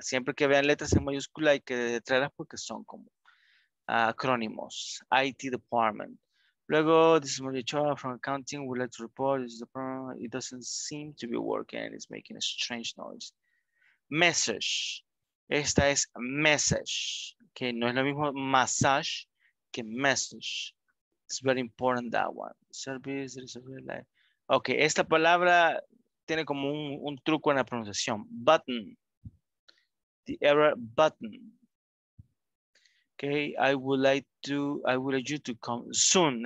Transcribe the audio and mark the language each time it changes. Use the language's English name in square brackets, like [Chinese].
[Spanish] Siempre que vean letras en mayúscula hay que detenerlas porque son como acrónimos. [English] IT Department. Luego, this is Maria Choa from accounting. We'd like to report this is the problem. It doesn't seem to be working and it's making a strange noise. [Spanish] Message. Esta es message. Okay, no es lo mismo massage que message. [English] It's very important that one. Service, there is a real life. Okay, [Spanish] esta palabra tiene como un truco en la pronunciación. [English] Button. the error button. Okay, I would like you to come soon.